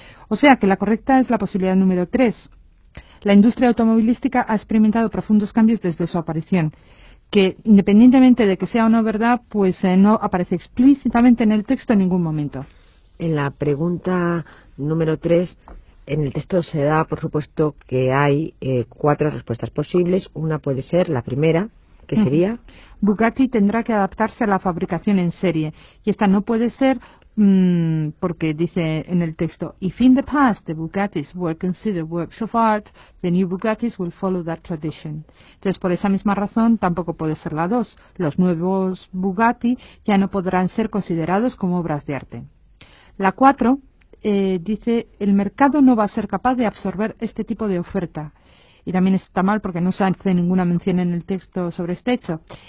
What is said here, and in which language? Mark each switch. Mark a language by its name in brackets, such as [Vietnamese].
[Spanish] O sea que la correcta es la posibilidad número 3. La industria automovilística ha experimentado profundos cambios desde su aparición, que independientemente de que sea o no verdad, pues no aparece explícitamente en el texto en ningún momento. En la pregunta número 3, en el texto se da, por supuesto, que hay 4 respuestas posibles. Una puede ser la primera, que sería... Bugatti tendrá que adaptarse a la fabricación en serie, y esta no puede ser... porque dice en el texto, [English] if in the past the Bugattis were considered works of art, the new Bugattis will follow that tradition. [Spanish] Entonces, por esa misma razón, tampoco puede ser la 2. Los nuevos Bugatti ya no podrán ser considerados como obras de arte. La 4 dice, el mercado no va a ser capaz de absorber este tipo de oferta. Y también está mal porque no se hace ninguna mención en el texto sobre este hecho.